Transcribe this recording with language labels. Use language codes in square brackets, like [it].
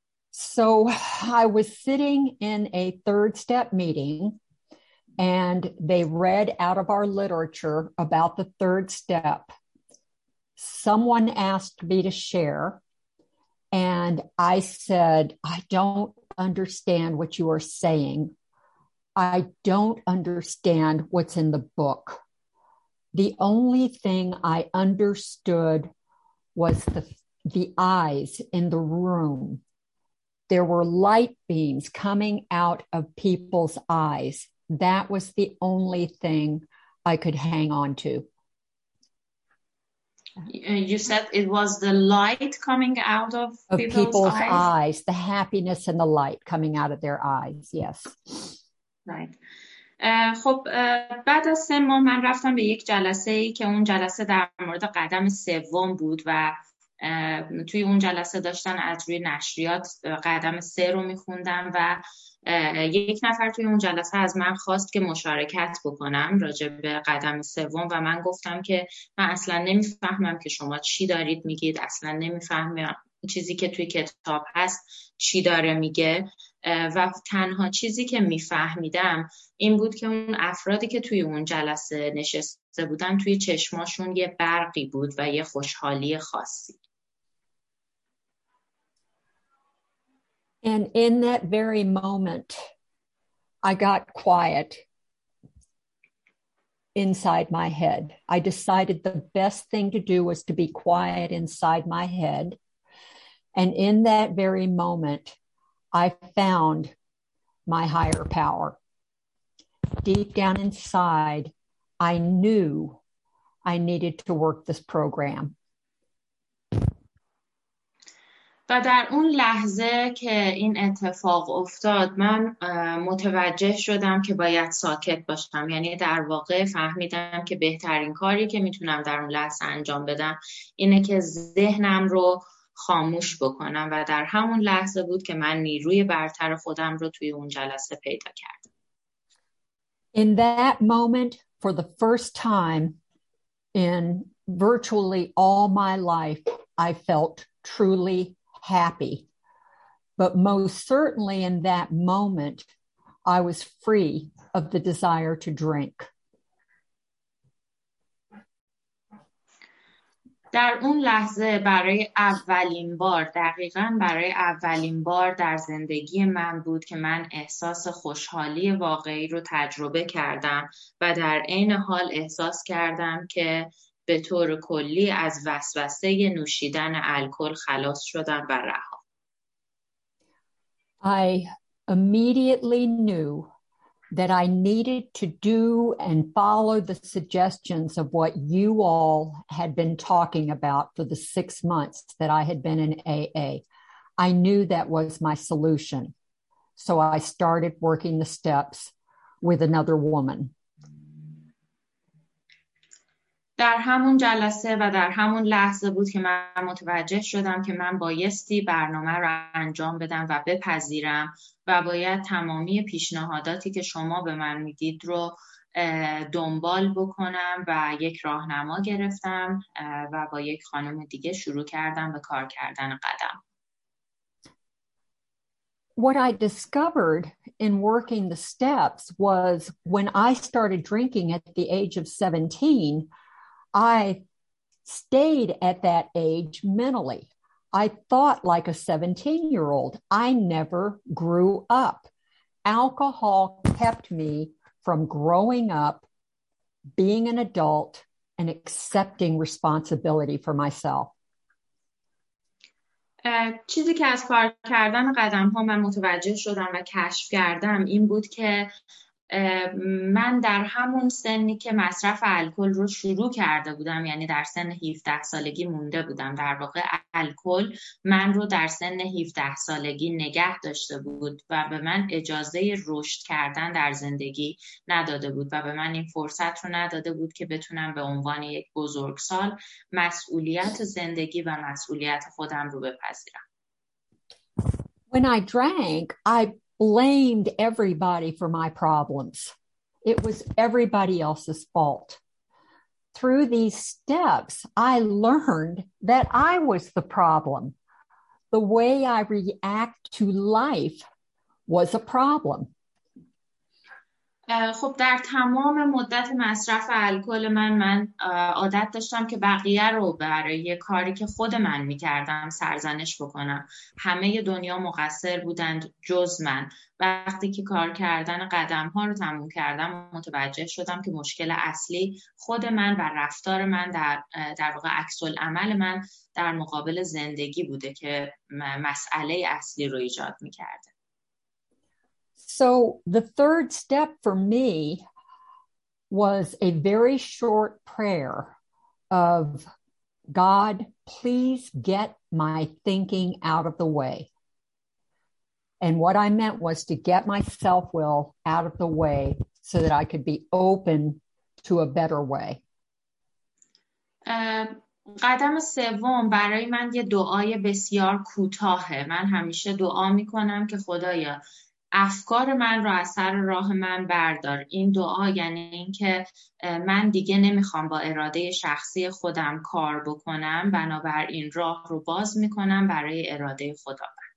[en] So I was sitting in a third step meeting and they read out of our literature about the third step. Someone asked me to share and I said, I don't understand what you are saying. I don't understand what's in the book. The only thing I understood was the eyes in the room. There were light beams coming out of people's eyes. That was the only thing I could hang on to. You said it was the light coming out of people's eyes? Eyes, the happiness and the light coming out of their eyes. Yes. Right. [fa] خب بعد از 3 ماه من رفتم به یک جلسه ای که اون جلسه در مورد قدم سوم بود و توی اون جلسه داشتن از روی نشریات قدم 3 رو میخوندم و یک نفر توی اون جلسه از من خواست که مشارکت بکنم راجع به قدم 3 و من گفتم که من اصلا نمیفهمم که شما چی دارید میگید، اصلا نمیفهمم چیزی که توی کتاب هست چی داره میگه، و تنها چیزی که میفهمیدم این بود که اون افرادی که توی اون جلسه نشسته بودن توی چشماشون یه برقی بود و یه خوشحالی خاصی. [en] And in that very moment, I got quiet inside my head. I decided the best thing to do was to be quiet inside my head. And in that very moment, I found my higher power. Deep down inside, I knew I needed to work this program. [fa] و در اون لحظه که این اتفاق افتاد من متوجه شدم که باید ساکت باشم، یعنی در واقع فهمیدم که بهترین کاری که میتونم در اون لحظه انجام بدم اینه که ذهنم رو خاموش بکنم و در همون لحظه بود که من نیروی برتر خودم رو توی اون جلسه پیدا کردم. [en] In that moment, for the first time in virtually all my life, I felt truly happy. But most certainly in that moment, I was free of the desire to drink. [fa] در اون لحظه برای اولین بار، دقیقاً برای اولین بار در زندگی من بود که من احساس خوشحالی واقعی رو تجربه کردم و در عین حال احساس کردم که به طور کلی از وسوسه نوشیدن الکل خلاص شدم و رها. [en] I immediately knew that I needed to do and follow the suggestions of what you all had been talking about for the 6 months that I had been in AA. I knew that was my solution. So I started working the steps with another woman. [fa] در همون جلسه و در همون لحظه بود که من متوجه شدم که من بایستی برنامه را انجام بدم و بپذیرم و باید تمامی پیشنهاداتی که شما به من میدید رو دنبال بکنم و یک راهنما گرفتم و با یک خانم دیگه شروع کردم به کار کردن قدم. [en] What I discovered in working the steps was when I started drinking at the age of 17, I stayed at that age mentally. I thought like a 17-year-old. I never grew up. Alcohol kept me from growing up, being an adult, and accepting responsibility for myself. [fa] چیزی که از کار کردن قدم ها من متوجه شدم و کشف کردم این بود که من در همون سنی که مصرف الکل رو شروع کرده بودم، یعنی در سن 17 سالگی مونده بودم، در واقع الکل من رو در سن 17 سالگی نگه داشته بود و به من اجازه رشد کردن در زندگی نداده بود و به من این فرصت رو نداده بود که بتونم به عنوان یک بزرگسال مسئولیت زندگی و مسئولیت خودم رو بپذیرم. [en] When I drank, I blamed everybody for my problems. It was everybody else's fault. Through these steps, I learned that I was the problem. The way I react to life was a problem. [fa] خب در تمام مدت مصرف الکل من عادت داشتم که بقیه رو برای یه کاری که خود من می کردم سرزنش بکنم. همه دنیا مقصر بودند جز من. وقتی که کار کردن قدم ها رو تموم کردم متوجه شدم که مشکل اصلی خود من و رفتار من در واقع عکس العمل من در مقابل زندگی بوده که مسئله اصلی رو ایجاد می کرده. [en] So the third step for me was a very short prayer of, God, please get my thinking out of the way. And what I meant was to get my self-will out of the way so that I could be open to a better way. [fa] قدم سوم برای من یه دعای بسیار کوتاهه. من همیشه دعا میکنم که خدایا افکار من رو از سر راه من بردار. این دعا یعنی این که من دیگه نمیخوام با اراده شخصی خودم کار بکنم، بنابراین راه رو باز میکنم برای اراده خداوند.